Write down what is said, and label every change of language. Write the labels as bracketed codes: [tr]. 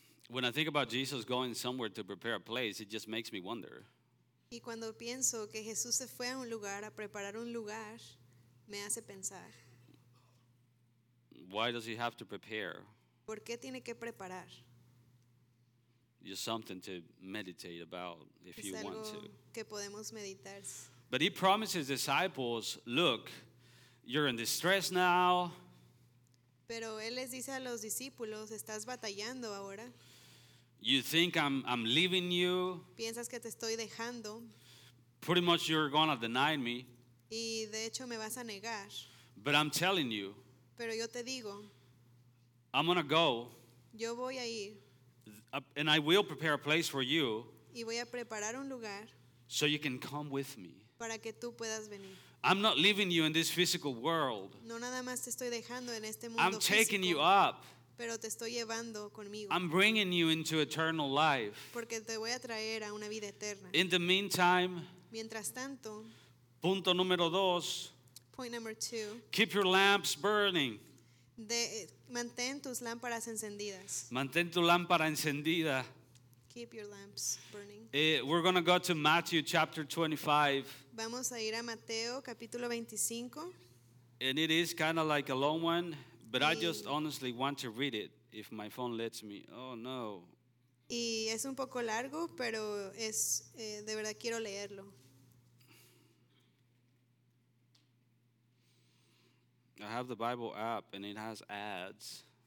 [en] When I think about Jesus going somewhere to prepare a place, it just makes me wonder. [es] Y cuando pienso que Jesús se fue a un lugar a preparar un lugar, me hace pensar. [en] Why does he have to prepare? [es] ¿Por qué tiene que preparar? [en] Just something to meditate about if [es] es [en] you [es] algo [en] want to. [es] Que podemos meditar. [en] But he promises disciples, look, you're in distress now. [es] Pero él les dice a los discípulos, estás batallando ahora. [en] You think I'm leaving you. [es] Piensas que te estoy dejando. [en] Pretty much you're going to deny me. [es] Y de hecho me vas a negar. [en] But I'm telling you. [es] Pero yo te digo. [en] I'm going to go. [es] Yo voy a ir. [en] And I will prepare a place for you. [es] Y voy a preparar un lugar. [en] So you can come with me. [es] Para que tú puedas venir. [en] I'm not leaving you in this physical world. [es] No nada más te estoy dejando en este mundo físico. [en] I'm taking you up. [es] Pero te estoy llevando conmigo. [en] I'm bringing you into eternal life. [es] Porque te voy a traer a una vida eterna. [en] In the meantime, [es] mientras tanto, punto número dos, [en] point number two, keep your lamps burning. [es] Mantén tus lámparas encendidas. Mantén tu lámpara encendida. [en] Keep your lamps burning. We're going to go to Matthew chapter 25. [es] Vamos a ir a Mateo capítulo 25. [en] And it is kind of like a long one. But I just honestly want to read it if my phone lets me. Oh no. [es] Y es un poco largo, pero es de verdad quiero leerlo. [en] I have the Bible app and it has ads.